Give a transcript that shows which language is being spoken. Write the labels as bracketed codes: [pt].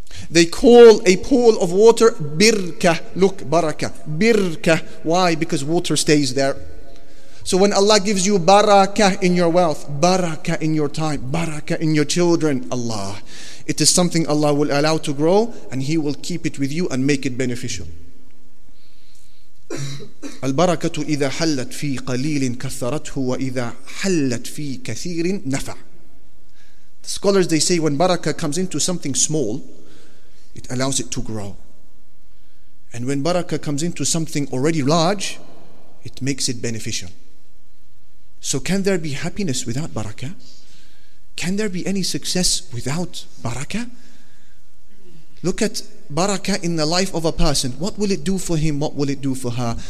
[en] They call a pool of water Birka. Look, Baraka. Birka. Why? Because water stays there. So when Allah gives you Baraka in your wealth, Baraka in your time, Baraka in your children, Allah, it is something Allah will allow to grow and He will keep it with you and make it beneficial. [ar] البركة إذا حلت في قليل كثرته وإذا حلت في كثير نفع. [en] The scholars, they say, when barakah comes into something small, it allows it to grow. And when barakah comes into something already large, it makes it beneficial. So can there be happiness without barakah? Can there be any success without barakah? Look at barakah in the life of a person. What will it do for him? What will it do for her?